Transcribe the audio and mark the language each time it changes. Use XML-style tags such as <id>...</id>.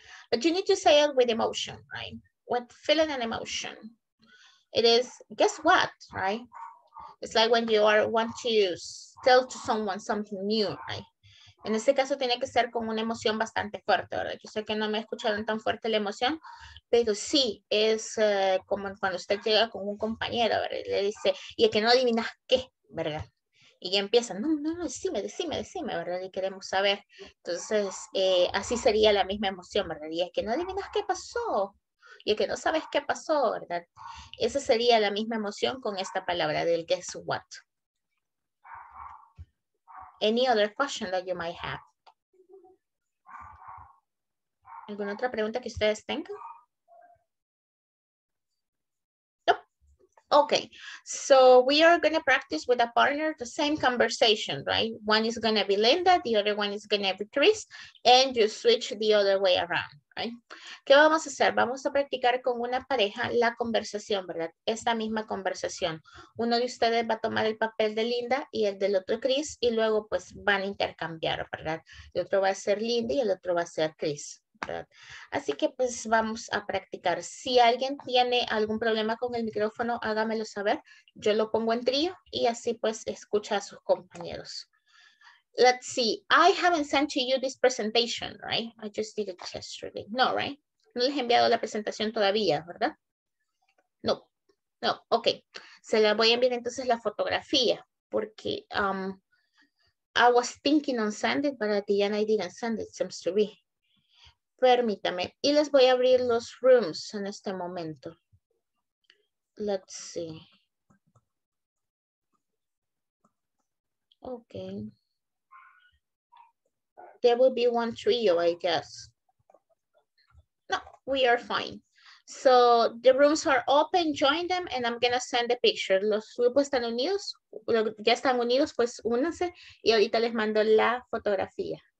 <en>But you need to say it with emotion, right? With feeling and emotion. It is guess what, right? It's like when you are want to tell to someone something new, right?</en> <es>En este caso tiene que ser con una emoción bastante fuerte, ¿verdad? Yo sé que no me escucharon tan fuerte la emoción, pero sí, es como cuando usted llega con un compañero, ¿verdad? Le dice, y es que no adivinas qué, ¿verdad? Y ya empieza, no, decime, ¿verdad? Y queremos saber. Entonces, así sería la misma emoción, ¿verdad? Y es que no adivinas qué pasó. Y que no sabes qué pasó, ¿verdad? Esa sería la misma emoción con esta palabra del guess what.</es> <en>Any other question that you might have?</en> <es>¿Alguna otra pregunta que ustedes tengan?</es> <en>Okay, so we are going to practice with a partner the same conversation, right? One is going to be Linda, the other one is going to be Chris, and you switch the other way around, right?</en> <es>¿Qué vamos a hacer? Vamos a practicar con una pareja la conversación, ¿verdad? Esta misma conversación. Uno de ustedes va a tomar el papel de Linda y el del otro Chris, y luego pues van a intercambiar, ¿verdad? El otro va a ser Linda y el otro va a ser Chris. Así que pues vamos a practicar. Si alguien tiene algún problema con el micrófono, hágamelo saber. Yo lo pongo en trío y así pues escucha a sus compañeros.</es> <en>Let's see. I haven't sent to you this presentation, right? I just did it yesterday. No, right?</en> <es>No les he enviado la presentación todavía, ¿verdad? No. No, ok. Se la voy a enviar entonces la fotografía porque</es> <en>I was thinking on sending, but at the end I didn't send it, seems to be.</en> <es>Permítame, y les voy a abrir los rooms en este momento.</es> <en>Let's see. Okay. There will be one trio, I guess. No, we are fine. So the rooms are open, join them, and I'm going to send the picture.</en> <es>Los grupos están unidos, ya están unidos, pues únanse, y ahorita les mando la fotografía.</es>